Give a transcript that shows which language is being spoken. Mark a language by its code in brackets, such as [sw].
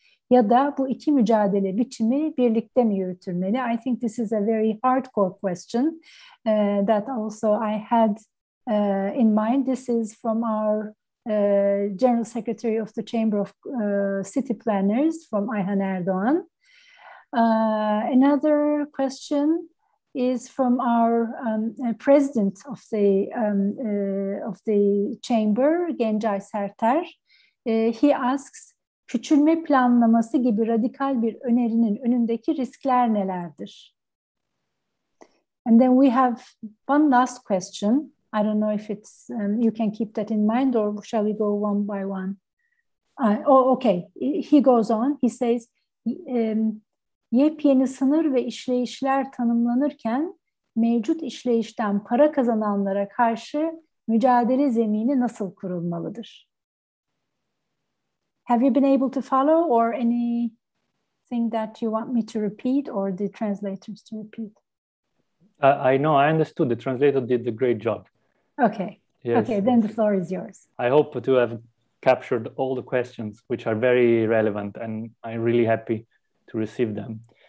[tr] Ya da bu iki mücadele biçimi birlikte mi yürütülmeli? [en] I think this is a very hardcore question that also I had in mind. This is from our General Secretary of the Chamber of City Planners, from Ayhan Erdoğan. Another question is from our president of the chamber, Gencay Serter. He asks, [tr] küçülme planlaması gibi radikal bir önerinin önündeki riskler nelerdir? [en] And then we have one last question. I don't know if it's you can keep that in mind or shall we go one by one? Okay. He goes on. He says, [tr] yepyeni sınır ve işleyişler tanımlanırken mevcut işleyişten para kazananlara karşı mücadele zemini nasıl kurulmalıdır? [en] Have you been able to follow, or anything that you want me to repeat or the translators to repeat? I know, I understood. The translator did a great job. Okay, yes. Okay, then the floor is yours. I hope to have captured all the questions, which are very relevant, and I'm really happy to receive them.